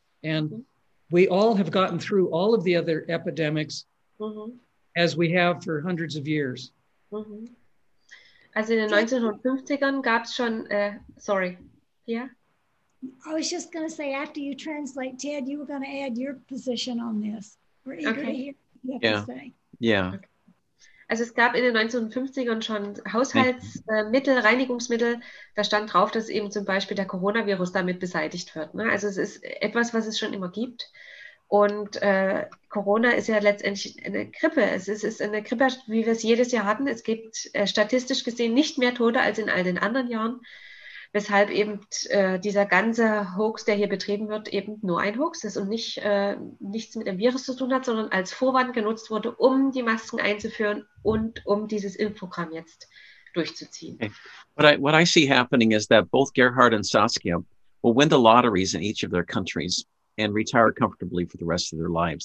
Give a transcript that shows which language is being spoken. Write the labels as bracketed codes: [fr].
[en] And mm-hmm. we all have gotten through all of the other epidemics mm-hmm. as we have for hundreds of years. Mm-hmm. Also in the 1950s [de] gab's schon, [en] sorry, yeah? I was just going to say, after you translate, Ted, you were going to add your position on this. We're eager to hear what you have yeah. to say. Yeah. Okay. [de] Also es gab in den 1950ern schon Haushaltsmittel, Reinigungsmittel. Da stand drauf, dass eben zum Beispiel der Coronavirus damit beseitigt wird. Ne? Also es ist etwas, was es schon immer gibt. Und Corona ist ja letztendlich eine Grippe. Es ist eine Grippe, wie wir es jedes Jahr hatten. Es gibt statistisch gesehen nicht mehr Tote als in all den anderen Jahren. Weshalb eben dieser ganze Hoax, der hier betrieben wird, eben nur ein Hoax ist und nichts mit dem Virus zu tun hat, sondern als Vorwand genutzt wurde, um die Masken einzuführen und um dieses Impfprogramm jetzt durchzuziehen. [en] Okay. What I see happening is that both Gerhard and Saskia will win the lotteries in each of their countries and retire comfortably for the rest of their lives.